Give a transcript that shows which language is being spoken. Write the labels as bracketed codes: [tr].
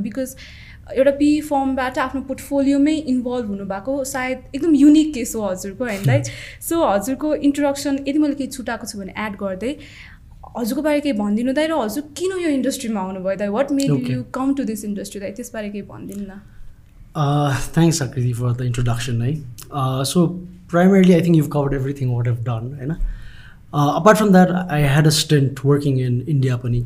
[ne] Because एउटा PE फर्मबाट आफ्नो पोर्टफोलियोमै involve हुनुभएको सायद एकदम युनिक केस हो हजुरको होइन दाई. सो हजुरको इन्ट्रोडक्सन यदि मैले केही छुटाएको छु भने एड गर्दै हजुरको बारे केही भनिदिनु दाई, र हजुर किन यो इन्डस्ट्रीमा आउनुभयो दाई? [en] What made you come to this industry दाई? [ne] त्यसबारे केही भनिदिनु न. [en] Thanks Aakriti for the introduction है. So primarily I think you covered everything what have done होइन. Apart from that I had a stint working in India पनि.